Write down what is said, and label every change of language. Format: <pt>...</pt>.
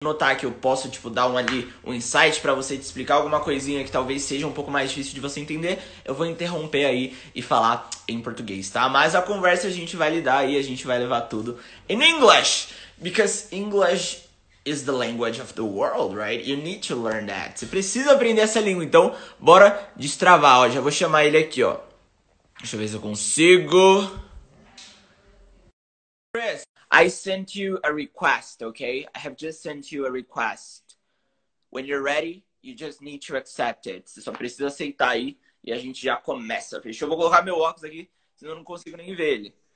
<pt>notar que eu posso, tipo, dar um insight pra você te explicar alguma coisinha que talvez seja um pouco mais difícil de você entender, eu vou interromper aí e falar em português, tá? Mas a conversa a gente vai lidar e a gente vai levar tudo in English!</pt> <en>Because English is the language of the world, right? You need to learn that.</en> <pt>Você precisa aprender essa língua, então bora destravar, ó. Já vou chamar ele aqui, ó. Deixa eu ver se eu consigo.</pt> <en>Chris, I sent you a request, okay? I have just sent you a request. When you're ready, you just need to accept it.</en> <pt>Você só precisa aceitar aí e a gente já começa. Fechou? Eu vou colocar meu óculos aqui, senão eu não consigo nem ver ele.</pt>